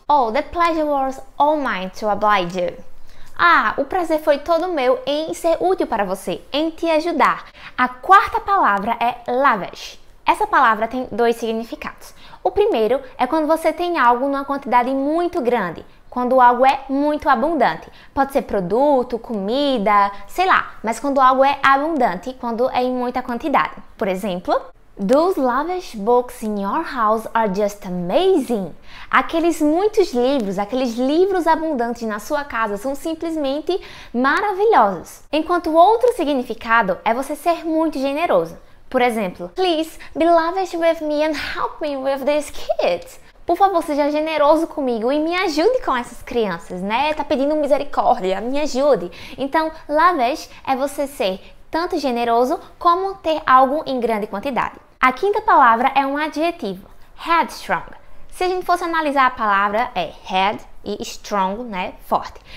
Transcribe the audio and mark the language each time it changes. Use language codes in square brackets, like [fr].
[en] Oh, the pleasure was all mine to oblige you. [pt] Ah, o prazer foi todo meu em ser útil para você, em te ajudar. A quarta palavra é lavish. Essa palavra tem dois significados. O primeiro é quando você tem algo numa quantidade muito grande. Quando algo é muito abundante. Pode ser produto, comida, sei lá. Mas quando algo é abundante, quando é em muita quantidade. Por exemplo, [en] those lavish books in your house are just amazing. [pt] Aqueles muitos livros, aqueles livros abundantes na sua casa são simplesmente maravilhosos. Enquanto outro significado é você ser muito generoso. Por exemplo, [en] please be lavish with me and help me with these kids. [pt] Por favor, seja generoso comigo e me ajude com essas crianças, né? Tá pedindo misericórdia, me ajude. Então, lavish é você ser tanto generoso como ter algo em grande quantidade. A quinta palavra é um adjetivo, headstrong. Se a gente fosse analisar a palavra, é head e strong, né? Forte.